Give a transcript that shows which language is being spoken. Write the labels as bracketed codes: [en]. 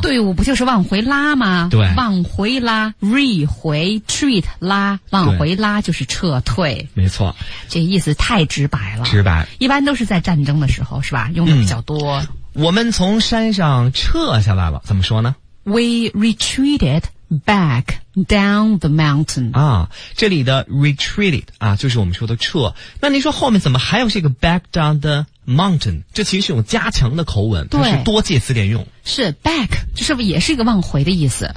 [zh] 队伍不就是往回拉吗？对，往回拉 ，re 回 treat 拉，往回拉就是撤退。没错，这意思太直白了。直白，一般都是在战争的时候，是吧？用的比较多。嗯，我们从山上撤下来了，怎么说呢 [en] ？We retreated back down the mountain. [zh] 啊，这里的 retreated 啊，就是我们说的撤。那您说后面怎么还有这个 back down the mountain？这其实是用加强的口吻，对，它是多介词连用。是 back， 这是不是也是一个往回的意思？